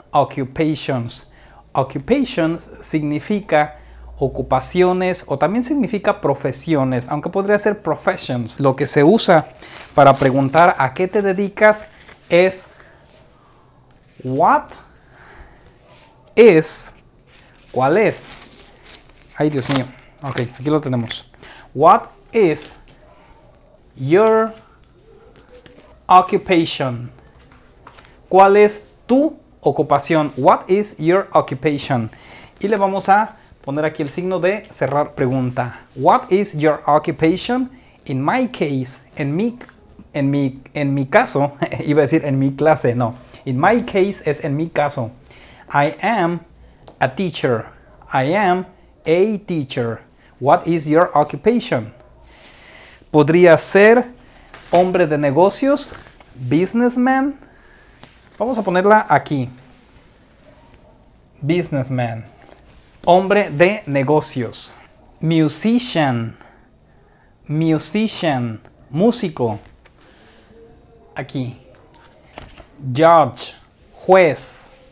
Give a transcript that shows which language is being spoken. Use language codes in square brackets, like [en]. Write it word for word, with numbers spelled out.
[es] Occupations. Occupations significa ocupaciones o también significa profesiones, aunque podría ser professions. Lo que se usa para preguntar a qué te dedicas es [en] what is, [es] ¿cuál es? Ay, Dios mío. Ok, aquí lo tenemos. [en] What is your occupation? [es] ¿Cuál es tu ocupación? [en] What is your occupation? [es] Y le vamos a poner aquí el signo de cerrar pregunta. [en] What is your occupation? In my case, [es] en mi, en mi, en mi caso, iba a decir en mi clase, no. [en] In my case [es] es en mi caso. [en] I am a teacher. I am a teacher. What is your occupation? [es] Podría ser hombre de negocios, businessman. Vamos a ponerla aquí. Businessman. Hombre de negocios. Musician. Musician. Músico. Aquí. Judge. Juez.